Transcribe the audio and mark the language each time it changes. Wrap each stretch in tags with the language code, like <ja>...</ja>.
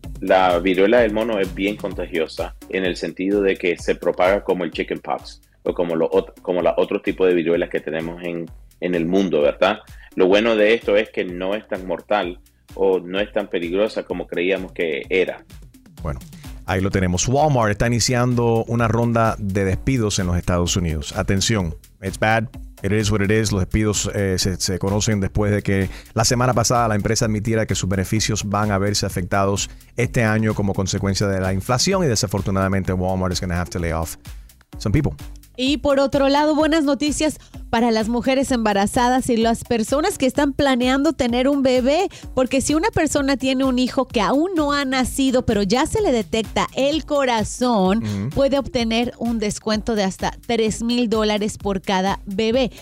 <es>La viruela del mono es bien contagiosa en el sentido de que se propaga como el chickenpox o como los otros tipos de viruelas que tenemos en el mundo, ¿verdad? Lo bueno de esto es que no es tan mortal o no es tan peligrosa como creíamos que era. Bueno. Ahí lo tenemos. Walmart está iniciando una ronda de despidos en los Estados Unidos.</es> <en>Atención, it's bad, it is what it is.</en> <es>Los despidos se conocen después de que la semana pasada la empresa admitiera que sus beneficios van a verse afectados este año como consecuencia de la inflación, y desafortunadamente</es> <en>Walmart is going to have to lay off some people.</en> <es>Y por otro lado, buenas noticias para las mujeres embarazadas y las personas que están planeando tener un bebé, porque si una persona tiene un hijo que aún no ha nacido, pero ya se le detecta el corazón, puede obtener un descuento de hasta $3,000 por cada bebé.</es>